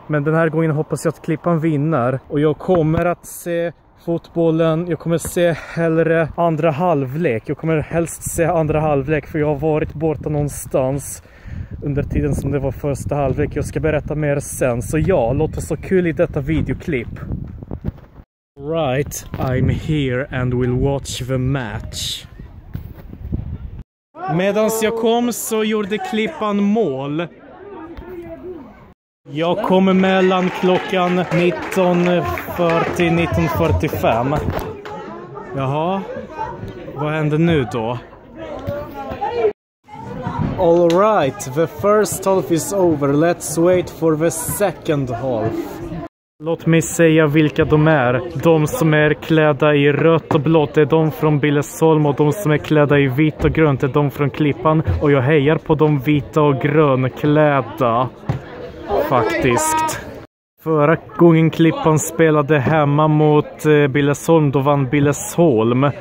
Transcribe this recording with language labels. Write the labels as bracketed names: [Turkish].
[Swedish] Men den här gången hoppas jag att Klippan vinner. Och jag kommer att se fotbollen, jag kommer se hellre andra halvlek. Jag kommer helst se andra halvlek för jag har varit borta någonstans under tiden som det var första halvlek. Jag ska berätta mer sen. Så ja, låt oss ha kul i detta videoklipp. [English] Right, I'm here and will watch the match. [Swedish] Medan jag kom så gjorde Klippan mål. Jag kommer mellan klockan 19:40-19:45. Jaha, vad händer nu då? [English] All right, the first half is over. Let's wait for the second half. [Swedish] Låt mig säga vilka de är. De som är klädda i rött och blått är de från Billesholm och de som är klädda i vitt och grönt är de från Klippan. Och jag hejar på de vita och grönklädda. Faktiskt. Förra gången Klippan spelade hemma mot Billesholm, då vann Billesholm.